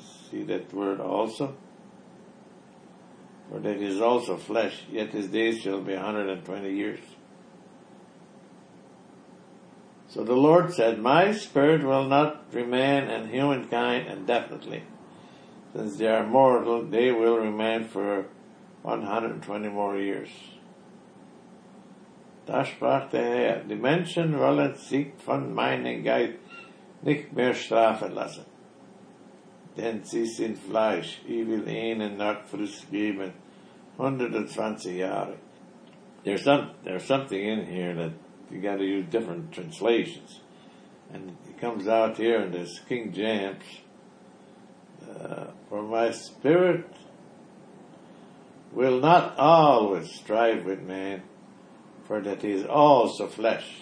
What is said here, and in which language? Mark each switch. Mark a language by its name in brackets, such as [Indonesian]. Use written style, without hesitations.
[English] See that word also? For that he is also flesh, yet his days shall be 120 years. So the Lord said, my spirit will not remain in humankind indefinitely. Since they are mortal, they will remain for 120 more years. [German] Da sprach der Herr, die Menschen wollen sich von meinem Geist nicht mehr strafen lassen. Denn sie sind Fleisch, ich will ihnen noch Frist geben, 120 Jahre. [English] There's something in here that you got to use different translations. And it comes out here in this King James, for my spirit will not always strive with man, for that he is also flesh.